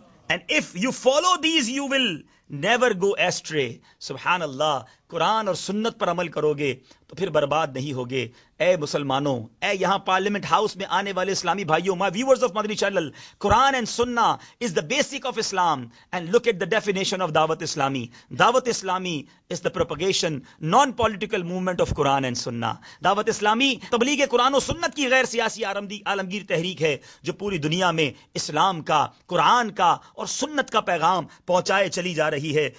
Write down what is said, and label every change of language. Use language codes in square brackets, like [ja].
[en] And if you follow these, you will never go astray. [ur] سبحان اللہ, قرآن اور سنت پر عمل کرو گے تو پھر برباد نہیں ہوگے. اے مسلمانوں, اے یہاں پارلیمنٹ ہاؤس میں آنے والے اسلامی بھائیوں, [en] my viewers of Madani channel, Quran and Sunnah is the basic of Islam. And look at the definition of Dawat Islami. Dawat Islami is the propagation non political movement of Quran and Sunnah. [ur] دعوت اسلامی تبلیغ قرآن و سنت کی غیر سیاسی عالمگیر تحریک ہے جو پوری دنیا میں اسلام کا, قرآن کا اور سنت کا پیغام پہنچائے چلی جا رہی ہے.